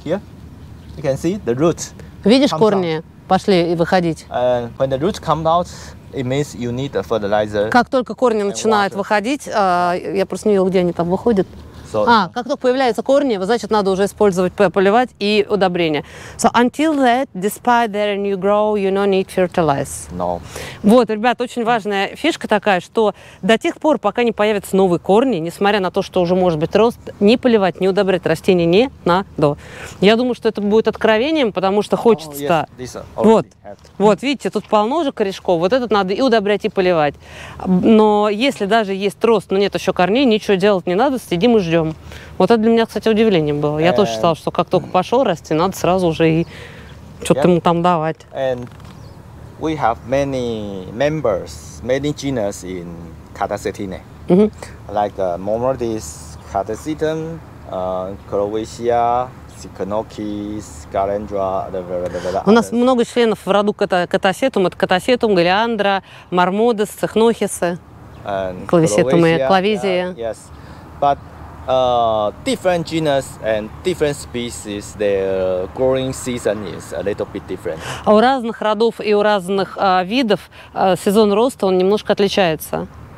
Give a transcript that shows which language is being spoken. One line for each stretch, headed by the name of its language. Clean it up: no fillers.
English: You can see the roots.
Russian: Видишь корни? Пошли выходить.
English: When the roots come out, it means you need a fertilizer.
Russian: Как только корни начинают выходить, я просто не видел, где они там выходят. So, а, как только появляются корни, значит, надо уже использовать, поливать и удобрения.
English: So, until that, despite that you grow, you don't need fertilize. No.
Russian: Вот, ребят, очень важная фишка такая, что до тех пор, пока не появятся новые корни, несмотря на то, что уже может быть рост, не поливать, не удобрять растения не надо. Я думаю, что это будет откровением, потому что хочется-то...
English: Oh, yes,
Russian: вот, вот, видите, тут полно уже корешков, вот этот надо и удобрять, и поливать. Но если даже есть рост, но нет еще корней, ничего делать не надо, сидим и ждем. Вот это для меня, кстати, удивлением было. Я тоже считал, что как только пошел расти, надо сразу уже и что-то ему там давать.
English: And we have many members, many genus in catasetine. Like Momardis, catasetum, Croatia, Сиконокис, Галендра,
Russian: у нас много членов в роду катасетум. Это катасетум, галиандра, мармодес, цихнохисы, клависетумы, клавизии.
English: Yes. But different genus and different species, their growing season is a little bit different.
Russian: А у разных родов и у разных видов сезон роста, он немножко отличается.